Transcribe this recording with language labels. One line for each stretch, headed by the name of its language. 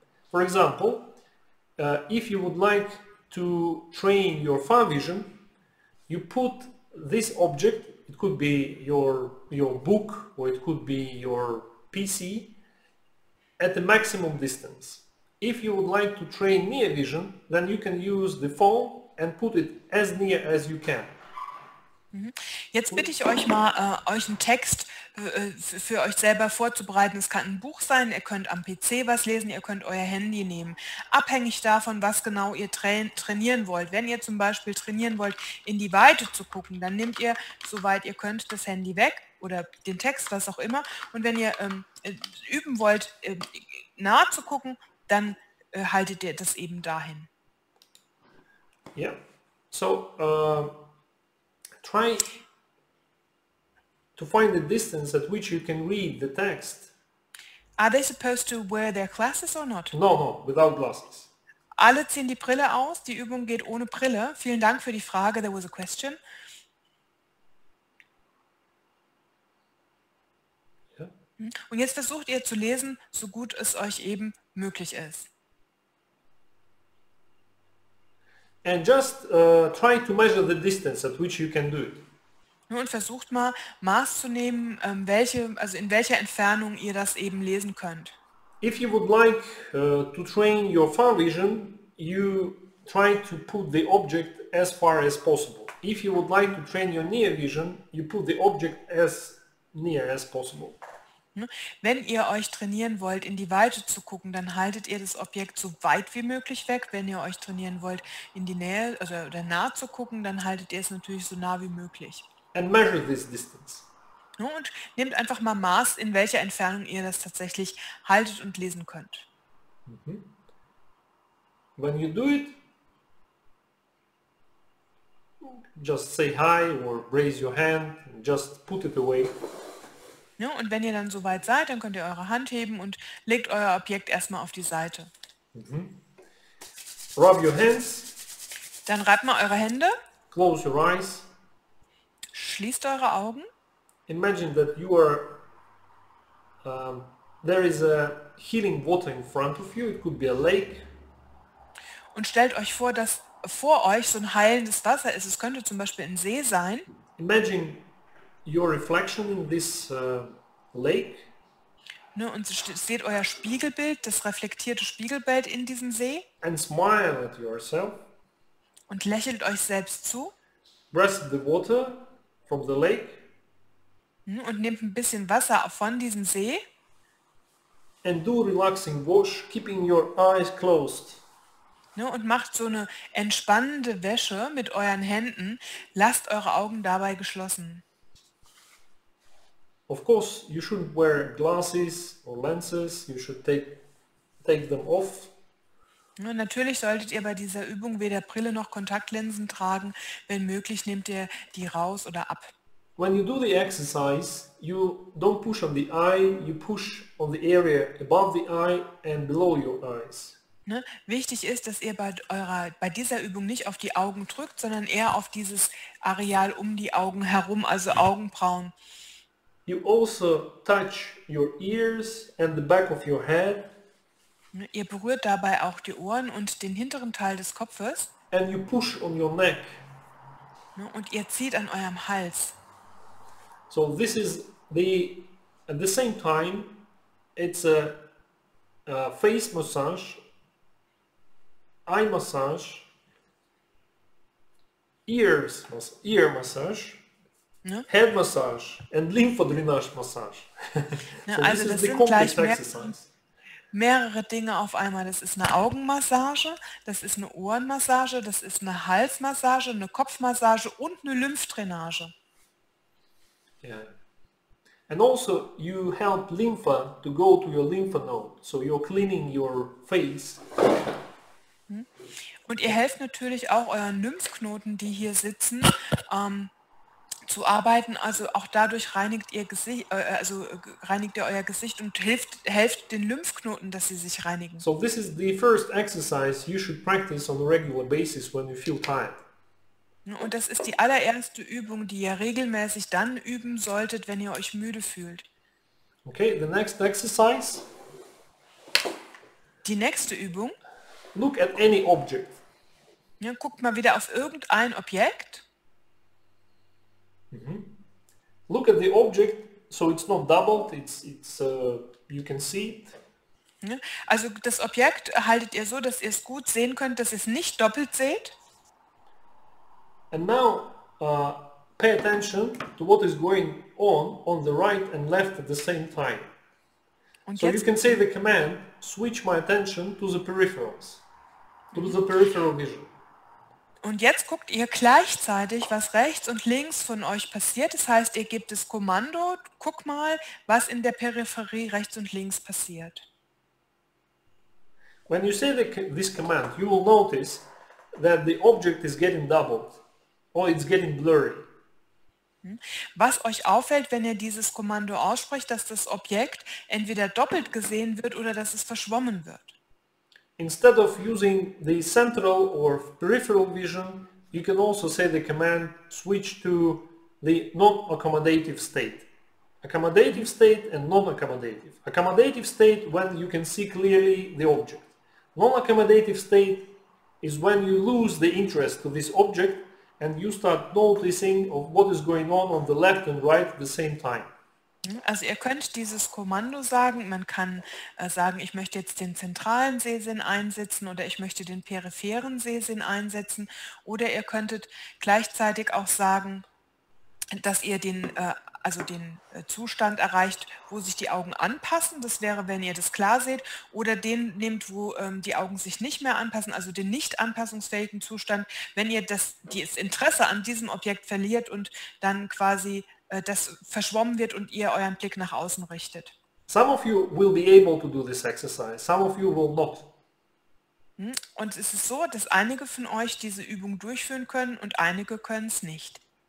English: For example, if you would like to train your far vision, you put this object, it could be your book or it could be your PC, at the maximum distance. If you would like to train near vision, then you can use the phone and put it as near as you can.
German: Jetzt bitte ich euch mal, euch einen Text für euch selber vorzubereiten. Es kann ein Buch sein, ihr könnt am PC was lesen, ihr könnt euer Handy nehmen. Abhängig davon, was genau ihr trainieren wollt. Wenn ihr zum Beispiel trainieren wollt, in die Weite zu gucken, dann nehmt ihr, soweit ihr könnt, das Handy weg oder den Text, was auch immer. Und wenn ihr üben wollt, nahe zu gucken, dann haltet ihr das eben dahin.
English: Yeah. So try to find the distance at which you can read the text. Are they supposed to wear their glasses or not? No, without glasses.
German: Alle ziehen die Brille aus, die Übung geht ohne Brille. Vielen Dank für die Frage,
English: there was a question.
German: Und jetzt versucht ihr zu lesen, so gut es euch eben möglich ist.
English: And just try to measure the distance at which you can do it.
German: Und versucht mal Maß zu nehmen, in welcher Entfernung ihr das eben lesen könnt.
English: If you would like to train your far vision, you try to put the object as far as possible. If you would like to train your near vision, you put the object as near as possible.
German: Wenn ihr euch trainieren wollt, in die Weite zu gucken, dann haltet ihr das Objekt so weit wie möglich weg. Wenn ihr euch trainieren wollt, in die Nähe oder nah zu gucken, dann haltet ihr es natürlich so nah wie möglich.
English: And measure this distance.
German: Und nehmt einfach mal Maß, in welcher Entfernung ihr das tatsächlich haltet und lesen könnt. Mm-hmm.
English: When you do it, just say hi or raise your hand and just put it away.
German: Ja, und wenn ihr dann soweit seid, dann könnt ihr eure Hand heben und legt euer Objekt erstmal auf die Seite. Mm-hmm.
English: Rub your hands.
German: Dann reibt mal eure Hände.
English: Close your eyes.
German: Schließt eure Augen.
English: Imagine that you are there is a healing water in front of you. It could be a lake.
German: Und stellt euch vor, dass vor euch so ein heilendes Wasser ist. Es könnte zum Beispiel ein See sein.
English: Imagine your reflection in this lake.
German: Ne, und seht euer Spiegelbild, das reflektierte Spiegelbild in diesem See.
English: And smile at yourself.
German: Und lächelt euch selbst zu.
English: Breath the water from the lake.
German: Und nehmt ein bisschen Wasser von diesem See.
English: And do relaxing wash, keeping your eyes closed.
German: Ne, und macht so eine entspannende Wäsche mit euren Händen. Lasst eure Augen dabei geschlossen.
English: Of course, you shouldn't wear glasses or lenses. You should take them off.
German: Natürlich solltet ihr bei dieser Übung weder Brille noch Kontaktlinsen tragen. Wenn möglich, nehmt ihr die raus oder ab.
English: When you do the exercise, you don't push on the eye. You push on the area above the eye and below your eyes.
German: Ne? Wichtig ist, dass ihr bei dieser Übung nicht auf die Augen drückt, sondern eher auf dieses Areal um die Augen herum, also Augenbrauen.
English: You also touch your ears and the back of your head.
German: Ihr berührt dabei auch die Ohren und den hinteren Teil des Kopfes.
English: And you push on your neck.
German: Und ihr zieht an eurem Hals.
English: So this is at the same time, it's a face massage, eye massage, ear massage. Ne? Head Massage and Lymphodrainage Massage.
German: So also das sind gleich mehrere Dinge auf einmal. Das ist eine Augenmassage, das ist eine Ohrenmassage, das ist eine Halsmassage, eine Kopfmassage und eine Lymphdrainage.
English: Yeah. And also you help lympha to go to your lympha node. So you're cleaning your face.
German: Und ihr helft natürlich auch euren Lymphknoten, die hier sitzen, zu arbeiten, also auch dadurch reinigt ihr Gesicht, also reinigt ihr euer Gesicht und helft den Lymphknoten, dass sie sich reinigen.
English: So this is the first exercise you should practice on a regular basis when you feel tired.
German: Und das ist die allererste Übung, die ihr regelmäßig dann üben solltet, wenn ihr euch müde fühlt.
English: Okay, the next exercise.
German: Die nächste Übung.
English: Look at any object.
German: Ja, guckt mal wieder auf irgendein Objekt.
English: Look at the object, so it's not doubled, it's you can see it.
German: Also das Objekt haltet ihr so, dass ihr es gut sehen könnt, dass ihr es nicht doppelt seht.
English: And now pay attention to what is going on the right and left at the same time. Und so you can say the command, switch my attention to the peripherals, to the peripheral vision.
German: Und jetzt guckt ihr gleichzeitig, was rechts und links von euch passiert. Das heißt, ihr gebt das Kommando, guck mal, was in der Peripherie rechts und links passiert.
English: When you say this command, you will notice that the object is getting doubled or it's getting blurry.
German: Was euch auffällt, wenn ihr dieses Kommando aussprecht, dass das Objekt entweder doppelt gesehen wird oder dass es verschwommen wird.
English: Instead of using the central or peripheral vision, you can also say the command switch to the non-accommodative state. Accommodative state and non-accommodative. Accommodative state when you can see clearly the object. Non-accommodative state is when you lose the interest to this object and you start noticing of what is going on the left and right at the same time.
German: Also ihr könnt dieses Kommando sagen, man kann sagen, ich möchte jetzt den zentralen Sehsinn einsetzen oder ich möchte den peripheren Sehsinn einsetzen oder ihr könntet gleichzeitig auch sagen, dass ihr den Zustand erreicht, wo sich die Augen anpassen, das wäre, wenn ihr das klar seht, oder den nehmt, wo die Augen sich nicht mehr anpassen, also den nicht anpassungsfähigen Zustand, wenn ihr das Interesse an diesem Objekt verliert und dann quasi das verschwommen wird und ihr euren Blick nach außen richtet.
English: Some of you will be able to do this exercise. Some of you will not.
German: Und es ist so, dass einige von euch diese Übung durchführen können und einige können es nicht.